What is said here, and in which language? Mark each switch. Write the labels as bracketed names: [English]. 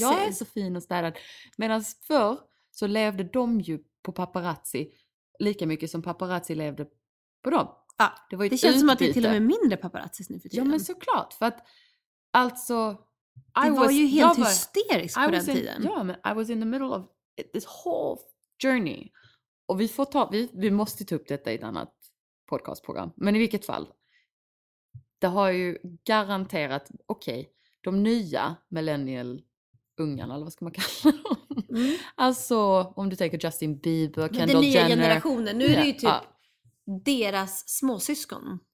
[Swedish] Jag är så fin och städad. Medan förr så levde de ju på paparazzi lika mycket som paparazzi levde på dem. Ja, det var ju, det känns utbyte. Som att det är till och med mindre paparazzis nu för tiden. Ja, men såklart. För att, alltså... Det var ju helt hysteriskt på den tiden. Ja, men [English] I was in the middle of this whole journey. [Swedish] Och vi får ta... Vi måste ta upp detta i ett annat podcastprogram. Men i vilket fall. Det har ju garanterat... Okej, de nya millennial-ungarna, eller vad ska man kalla dem? Mm. Alltså, om du tänker Justin Bieber, Kendall Jenner. Den nya generationen, nu är det ju typ deras småsyskon.